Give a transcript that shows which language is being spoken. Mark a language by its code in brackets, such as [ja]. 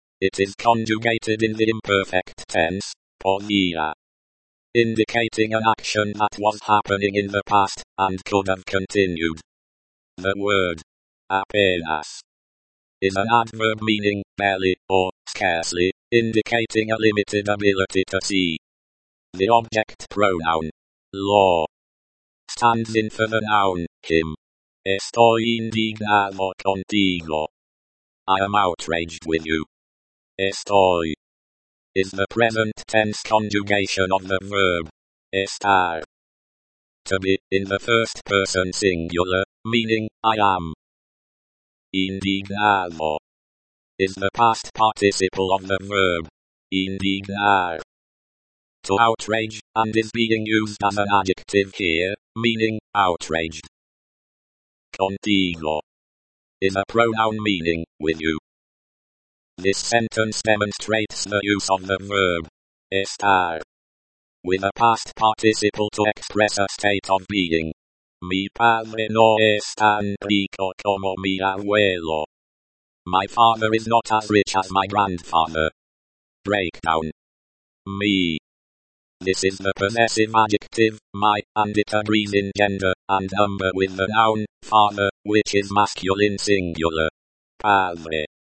[en] It is conjugated in the imperfect tense, podía, indicating an action that was happening in the past and could have continued. The word apenas is an adverb meaning barely or scarcely, indicating a limited ability to see. The object pronoun lo stands in for the noun him. [es] Estoy indignado contigo. [en] I am outraged with you. Estoy is the present tense conjugation of the verb estar, to be, in the first person singular, meaning I am. Indignado is the past participle of the verb indignar, to outrage, and is being used as an adjective here, meaning outraged. Contigo is a pronoun meaning with you. This sentence demonstrates the use of the verb estar with a past participle to express a state of being. [es] Mi padre no es tan rico como mi abuelo. [en] My father is not as rich as my grandfather. Breakdown. Mi. This is the possessive adjective, my, and it agrees in gender and number with the noun, father, which is masculine singular. Padre.